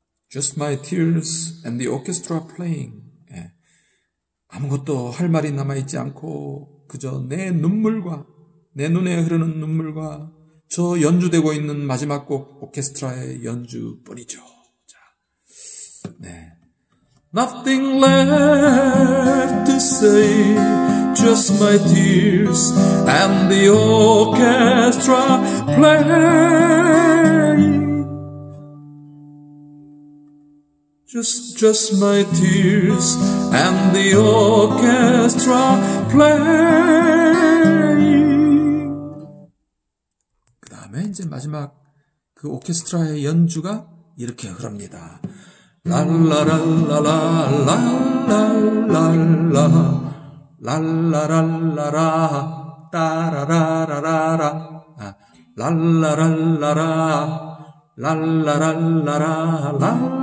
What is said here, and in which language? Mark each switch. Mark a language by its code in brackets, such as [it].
[en] Just my tears and the orchestra playing. [ko] 아무것도 할 말이 남아있지 않고 그저 내 눈물과 내 눈에 흐르는 눈물과 저 연주되고 있는 마지막 곡 오케스트라의 연주뿐이죠. 자, 네. [en] Nothing left to say, just my tears and the orchestra playing. Just my tears and the orchestra playing. [ko] 맨 이제 마지막 그 오케스트라의 연주가 이렇게 흐릅니다. 랄라랄라라랄라랄라 랄라랄라라 따라라라라라 랄라랄라라 랄라랄라라 랄라랄라